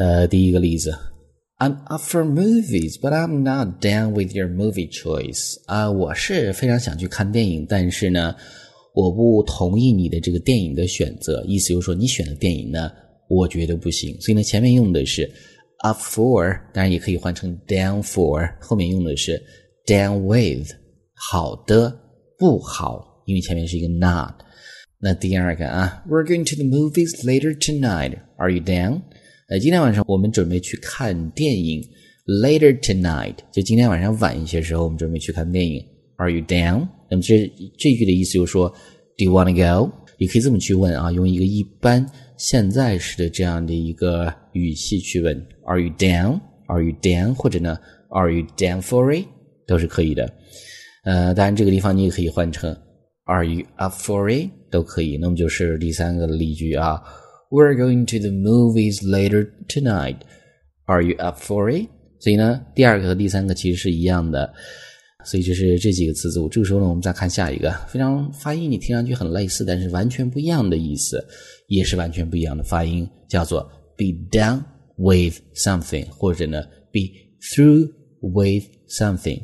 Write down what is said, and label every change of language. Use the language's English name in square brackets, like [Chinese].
[Chinese] 第一个例子 [English] I'm up for movies but I'm not down with your movie choice, [Chinese] 我是非常想去看电影，但是呢我不同意你的这个电影的选择，意思就是说你选的电影呢我觉得不行。所以呢前面用的是 up for, 当然也可以换成 down for, 后面用的是 down with, 好的不好，因为前面是一个 not。那第二个啊 [English] We're going to the movies later tonight, are you down? [Chinese] 今天晚上我们准备去看电影 [English] later tonight, [Chinese] 就今天晚上晚一些时候我们准备去看电影 [English] are you down? [Chinese] 那么这句的意思就是说 [English] do you wanna go? [Chinese] 也可以这么去问啊，用一个一般现在式的这样的一个语气去问 [English] are you down? are you down? [Chinese] 或者呢 [English] are you down for it? [Chinese] 都是可以的。当然这个地方你也可以换成 [English] Are you up for it? [Chinese] 都可以。那么就是第三个例句啊。 [English] We're going to the movies later tonight. Are you up for it? [Chinese] 所以呢第二个和第三个其实是一样的。所以这是这几个词组。这个时候呢我们再看下一个。非常发音你听上去很类似，但是完全不一样的意思，也是完全不一样的发音，叫做 be down with something, 或者呢 be through with something.